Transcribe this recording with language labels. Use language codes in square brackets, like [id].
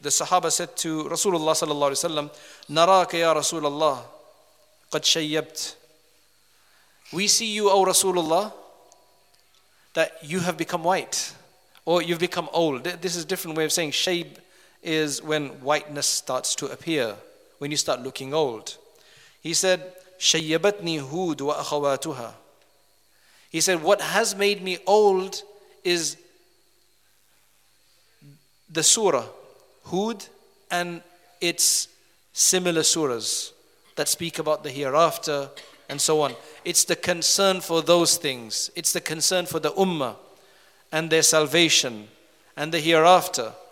[en] The sahaba said to Rasulullah sallallahu alayhi wa sallam, [ar] نَرَاكَ يَا رَسُولَ اللَّهِ قَدْ شَيَّبْتِ. [en] We see you, O Rasulullah, that you have become white, or you've become old. This is a different way of saying shayb is when whiteness starts to appear, when you start looking old. He said, [ar] شَيَّبَتْنِي هُود وَأَخَوَاتُهَا. [en] He said, what has made me old is the surah, Hud, and its similar surahs that speak about the hereafter and so on. It's the concern for those things. It's the concern for the ummah and their salvation and the hereafter.